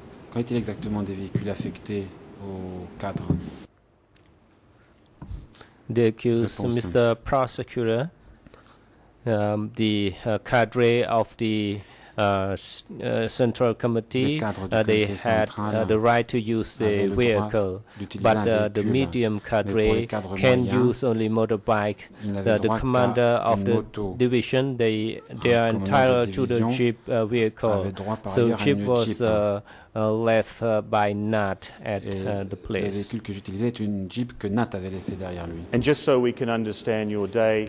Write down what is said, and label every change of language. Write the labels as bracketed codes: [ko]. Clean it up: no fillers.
[fr] Quel est-il exactement des véhicules affectés au cadre? [en] The accused, Mr. Prosecutor, the cadre of the Central Committee, they had the right to use the vehicle, but the medium cadre can use only motorbike. The commander of the division, they are entitled to the Jeep vehicle, so Jeep was left by Nat at the place. [fr] Le véhicule que j'utilisais est une Jeep que Nat avait laissé derrière lui. [en] And just so we can understand your day,